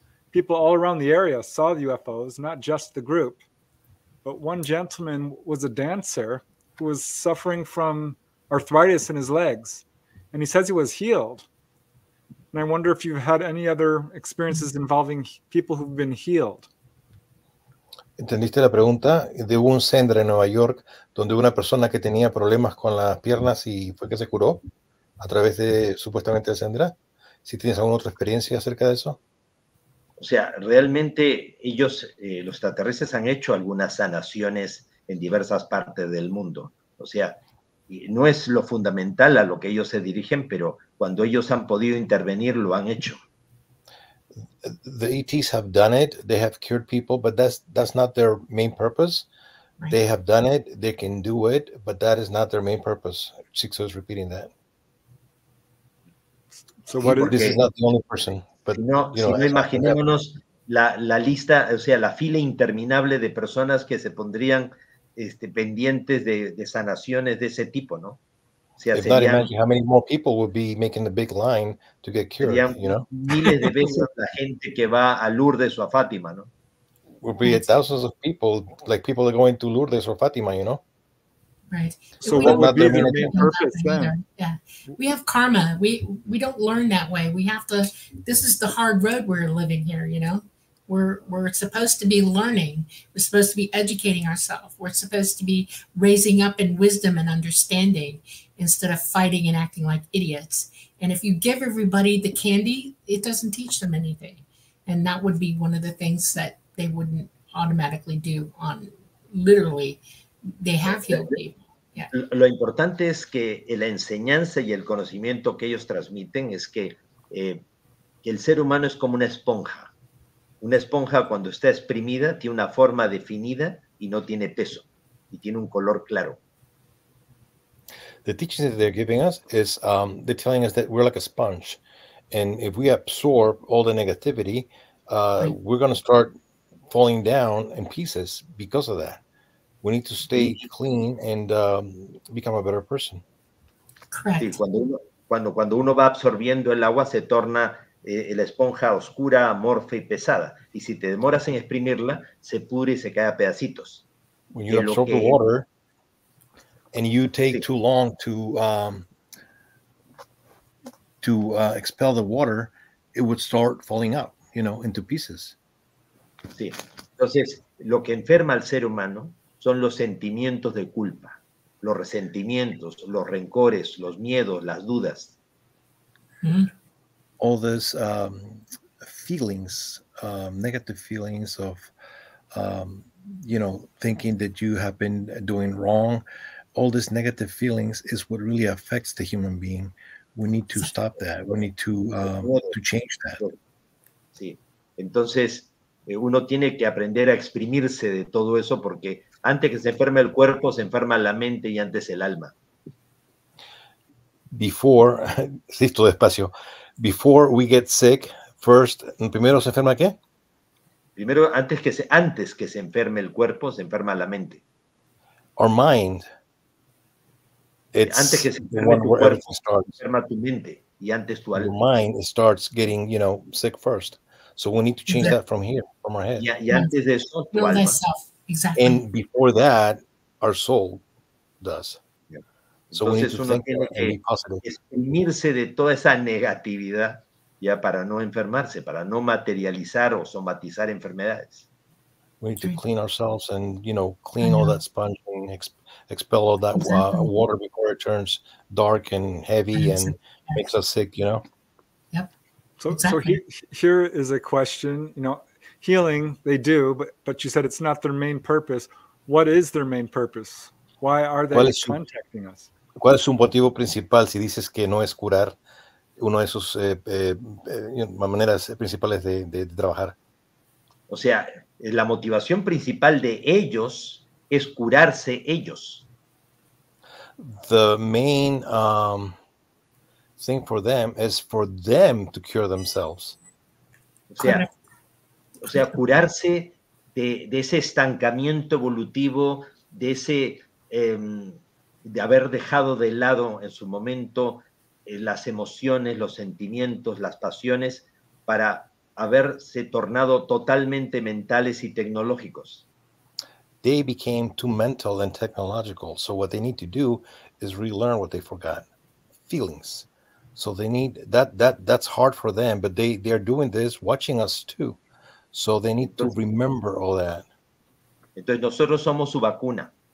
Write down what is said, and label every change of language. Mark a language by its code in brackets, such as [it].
[en] People all around the area saw the UFOs, not just the group. But one gentleman was a dancer who was suffering from arthritis in his legs, and he says he was healed. And I wonder if you've had any other experiences involving people who've been healed. [es] ¿Entendiste la pregunta? De un Zendra en Nueva York, donde una persona que tenía problemas con las piernas y fue que se curó a través de supuestamente Zendra. Si tienes alguna otra experiencia acerca de eso. O sea, realmente ellos, los extraterrestres han hecho algunas sanaciones en diversas partes del mundo. O sea, no es lo fundamental a lo que ellos se dirigen, pero cuando ellos han podido intervenir, lo han hecho. [en] The ETs have done it. They have cured people, but that's not their main purpose. Right. They have done it. They can do it, but that is not their main purpose. Sixo is repeating that. So what this is not the only person. But, [es] no, [en] you know, [es] sino imaginémonos la lista, o sea, la fila interminable de personas que se pondrían pendientes de sanaciones de ese tipo, ¿no? O sea, sería [en] how many more people would be making the big line to get cured, you know? [es] Miles de veces la gente que va a Lourdes o a Fátima, ¿no? [en] Would be thousands of people, like people are going to Lourdes or Fátima, you know? Right. So what would be the main purpose then? Yeah. We have karma. We don't learn that way. We have to, this is the hard road we're living here, you know? We're supposed to be learning. We're supposed to be educating ourselves. We're supposed to be raising up in wisdom and understanding instead of fighting and acting like idiots. And if you give everybody the candy, it doesn't teach them anything. And that would be one of the things that they wouldn't automatically do on literally. They have you. [es] Yeah. Lo importante es que la enseñanza y el conocimiento que ellos transmiten es que el ser humano es como una esponja. Una esponja cuando está exprimida tiene una forma definida y no tiene peso y tiene un color claro. [en] The teachings that they're giving us is they're telling us that we're like a sponge, and if we absorb all the negativity, we're going to start falling down in pieces because of that. We need to stay clean and become a better person. Correct. [es] Sí, cuando uno va absorbiendo el agua, se torna la esponja oscura, amorfa y pesada. Y si te demoras en exprimirla, se pudre y se cae a pedacitos. [en] When you absorb the water and you take too long to expel the water, it would start falling out, you know, into pieces. [es] Sí. Entonces, lo que enferma al ser humano son los sentimientos de culpa, los resentimientos, los rencores, los miedos, las dudas. Mm-hmm. [en] All those feelings, negative feelings of, you know, thinking that you have been doing wrong, all these negative feelings is what really affects the human being. We need to stop that. We need to change that. [es] Sí. Entonces, uno tiene que aprender a exprimirse de todo eso porque antes que se enferme el cuerpo, se enferma la mente y antes el alma. [en] Before, [es] listo despacio. [en] Before we get sick, first, [es] primero se enferma qué? Primero, antes que se enferme el cuerpo, se enferma la mente. [en] Our mind. It's [es] antes que se enferme tu cuerpo, [en] starts, [es] se enferma tu mente y antes tu alma. [en] Your mind starts getting, you know, sick first. So we need to change that from here, from our head. [es] Y antes de eso, tu alma. [en] Exactly. And before that, our soul does. Exactly. So we need to think and be positive. [es] Exprimirse de toda esa negatividad ya para no enfermarse, para no materializar o somatizar enfermedades. [en] We need to clean ourselves and, you know, clean all that sponge and expel all that water before it turns dark and heavy and makes us sick, you know? Yep. So here is a question, you know, healing, they do, but you said it's not their main purpose. What is their main purpose? Why are they contacting us? [es] ¿Cuál es su motivo principal si dices que no es curar? Uno de sus maneras principales de trabajar. O sea, la motivación principal de ellos es curarse ellos. [en] The main thing for them is for them to cure themselves. [es] O sea curarse de ese estancamiento evolutivo, de ese de haber dejado de lado en su momento las emociones, los sentimientos, las pasiones, para haberse tornado totalmente mentales y tecnológicos. [en] They became too mental and technological, so what they need to do is relearn what they forgot, feelings. So they need, that's hard for them, but they are doing this, watching us too. So they need to remember all that. [es] Entonces nosotros somos su vacuna.